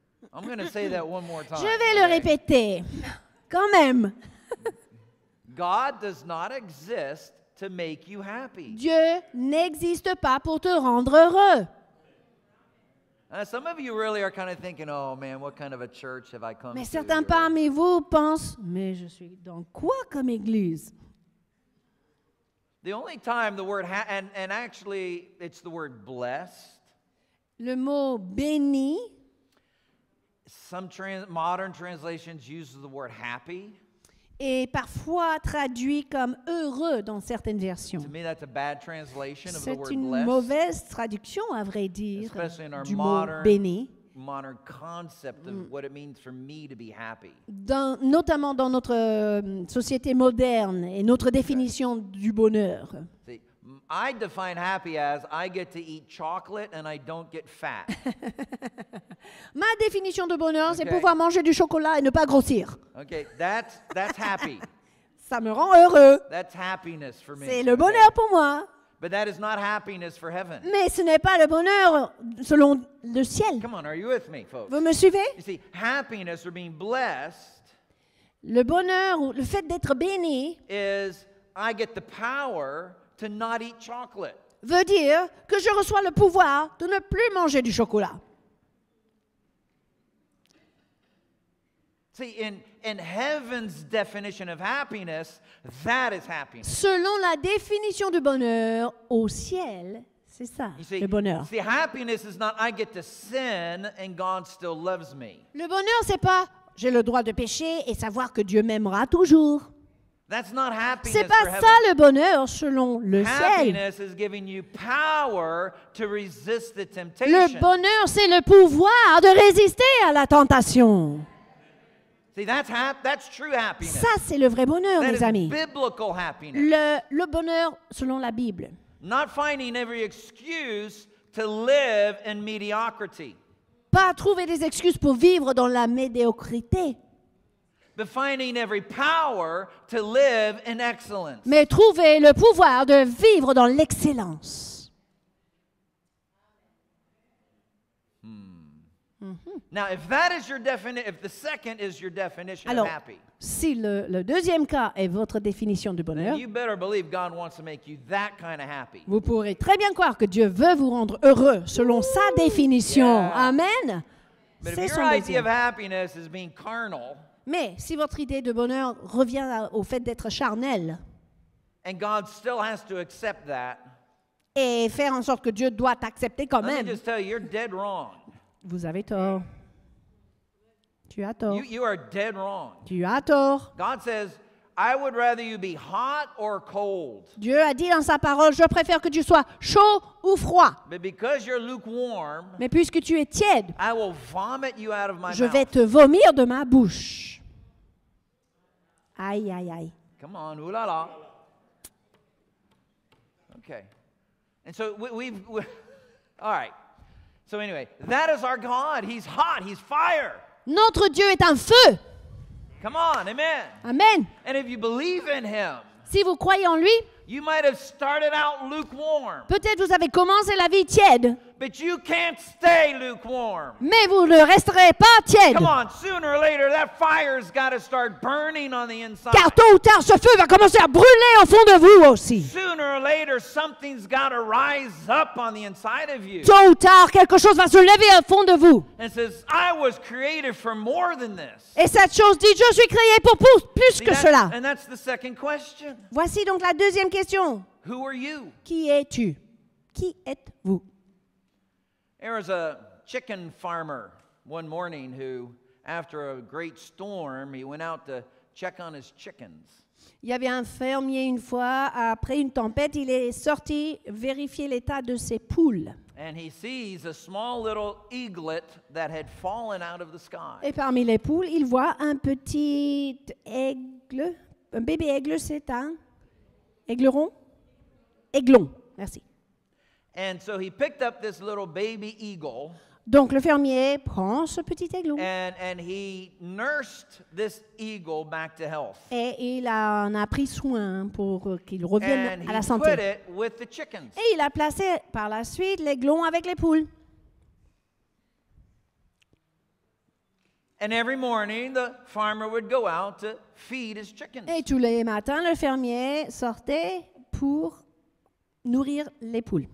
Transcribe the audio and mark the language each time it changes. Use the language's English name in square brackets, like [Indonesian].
[English] I'm going to say that one more time. [French] Je vais le répéter. Quand même. [English] God does not exist to make you happy. [French] Dieu n'existe pas pour te rendre heureux. [English] Some of you really are kind of thinking, "Oh man, what kind of a church have I come [French] Mais [English] to?" [French] Certains parmi vous pensent, "Mais je suis dans quoi comme église?" [English] The only time the word and actually it's the word blessed. [French] Le mot béni. [English] Some modern translations use the word happy. [French] Et parfois traduit comme heureux dans certaines versions. [English] To me, that's a bad translation [French] c'est [English] of the word [French] une [English] blessed. [French] Mauvaise traduction, à vrai dire, [English] especially in our [French] du [English] modern [French] mot béni. [English] modern concept of what it means for me to be happy. [French] Dans, notamment dans notre société moderne et notre définition du bonheur. [English] See, I define happy as I get to eat chocolate and I don't get fat. [French] Ma définition de bonheur, c'est pouvoir manger du chocolat et ne pas grossir. [English] Okay, that's happy. [French] Ça me rend heureux. [English] That's happiness for me. [French] C'est le bonheur pour moi. [English] But that is not happiness for heaven. [French] Mais ce n'est pas le bonheur selon le ciel. [English] Come on, are you with me, folks? [French] Vous me suivez? [English] You see, happiness or being blessed. [French] Le bonheur ou le fait d'être béni. [English] Is I get the power to not eat chocolate. [French] Veut dire que je reçois le pouvoir de ne plus manger du chocolat. [English] See, in heaven's definition of happiness, that is happiness. [French] Selon la définition du bonheur au ciel, c'est ça, [English] see, [French] le bonheur. [English] See, happiness is not I get to sin and God still loves me. [French] Le bonheur, c'est pas j'ai le droit de pécher et savoir que Dieu m'aimera toujours. [English] That's not happiness. [French] C'est pas ça le bonheur selon le ciel. [English] Happiness is giving you power to resist the temptation. [French] Le bonheur, c'est le pouvoir de résister à la tentation. [English] See, that's true happiness. [French] Ça, c'est le vrai bonheur, [English] that [French] mes amis. [English] Biblical happiness. [French] Le bonheur selon la Bible. [English] Not finding every excuse to live in mediocrity. [French] Pas trouver des excuses pour vivre dans la médiocrité. [English] But finding every power to live in excellence. [French] Mais trouver le pouvoir de vivre dans l'excellence. [English] Now, if that is your definition, if the second is your definition [French] alors, [English] of happy, [French] si le deuxième cas est votre définition du bonheur, [English] you better believe God wants to make you that kind of happy. [French] Vous pourrez très bien croire que Dieu veut vous rendre heureux selon sa définition. [English] Yeah. Amen. But [French] c'est [English] if your idea Of happiness is being carnal, [French] mais si votre idée de bonheur revient au fait d'être charnel, [English] and God still has to accept that, [French] et faire en sorte que Dieu doit accepter quand même, [English] let me just tell you, you're dead wrong. [French] Vous avez tort. Tu as tort. [English] You are dead wrong. [French] Tu as tort. [English] God says, I would rather you be hot or cold. [French] Dieu a dit dans sa parole, je préfère que tu sois chaud ou froid. [English] But because you're lukewarm, [French] mais puisque tu es tiède, [English] I will vomit you out of my [French] je [English] mouth. [French] Vais te vomir de ma bouche. Aïe, aïe, aïe. [English] Come on, [French] oulala. [English] Okay. And so we've all right. So anyway, that is our God. He's hot. He's fire. [French] Notre Dieu est un feu. [English] Come on, amen. Amen. And if you believe in him, [French] si vous croyez en lui, [English] you might have started out lukewarm. [French] Peut-être vous avez commencé la vie tiède. [English] But you can't stay lukewarm. [French] Mais vous ne resterez pas tiède. [English] Come on, sooner or later, that fire's got to start burning on the inside. [French] Car tôt ou tard, ce feu va commencer à brûler au fond de vous aussi. [English] Sooner or later, something's got to rise up on the inside of you. [French] Tôt ou tard, quelque chose va se lever au fond de vous. [English] And says, I was created for more than this. [French] Et cette chose dit, je suis créé pour plus [English] See, [French] que cela. [English] And that's the second question. [French] Voici donc la deuxième question. [English] Who are you? [French] Qui es-tu? Qui êtes-vous? [English] There was a chicken farmer one morning who, after a great storm, he went out to check on his chickens. [French] Il y avait un fermier une fois, après une tempête, il est sorti vérifier l'état de ses poules. [English] And he sees a small little eaglet that had fallen out of the sky. [French] Et parmi les poules, il voit un petit aigle, un bébé aigle, c'est un aigleron? Aiglon, merci. [English] And so he picked up this little baby eagle. [French] Donc le fermier prend ce petit aigle. [English] And he nursed this eagle back to health. [French] Et il en a pris soin pour qu'il revienne [English] and [French] à la santé. [English] And he put it with the chickens. [French] Et il a placé par la suite l'aiglon avec les poules. [English] And every morning the farmer would go out to feed his chickens. [French] Et tous les matins le fermier sortait pour nourrir les poules.